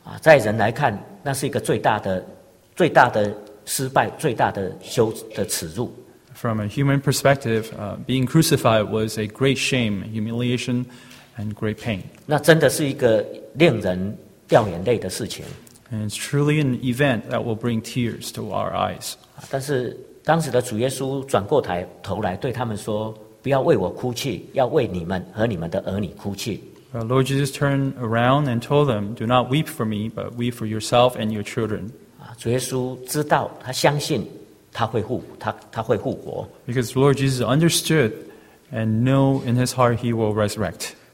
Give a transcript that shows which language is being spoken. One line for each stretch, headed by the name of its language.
Chinese: 在人来看，那是一个最大的失败，最大的羞的耻辱。
English: From a human perspective, being crucified was a great shame, humiliation, and great pain.
Chinese: 那真的是一个令人掉眼泪的事情。
English: And it's truly an event that will bring tears to our eyes.
Chinese: 但是当时的主耶稣转过头来对他们说，不要为我哭泣，要为你们和你们的儿女哭泣。
English: Lord Jesus turned around and told them, do not weep for me, but weep for yourself and your children.
Chinese: 主耶稣知道，他相信。他会复活。
English: Because Lord Jesus understood and knew in his heart he will resurrect.